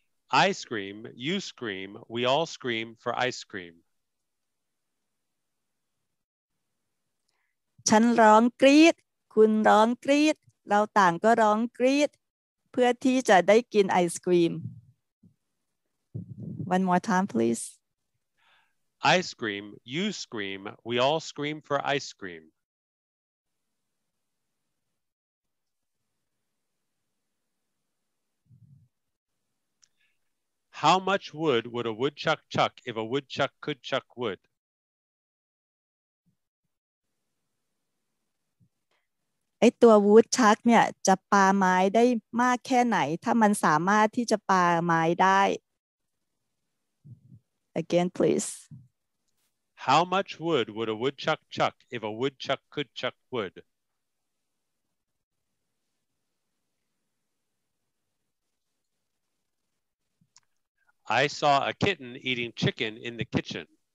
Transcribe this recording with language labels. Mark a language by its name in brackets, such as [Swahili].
[English] Ice cream, you scream, we all scream for ice cream. [Thai] ฉันร้องกรี๊ดคุณร้องกรี๊ดเราต่างก็ร้องกรี๊ดเพื่อที่จะได้กินไอศกรีม [English] One more time please Ice cream you scream we all scream for ice cream How much wood would a woodchuck chuck if a woodchuck could chuck wood [Thai] ไอ้ตัววูดชักเนี่ยจะปาไม้ได้มากแค่ไหนถ้ามันสามารถที่จะปาไม้ได้ [English] Again please How much wood would a woodchuck chuck if a woodchuck could chuck wood I saw a kitten eating chicken in the kitchen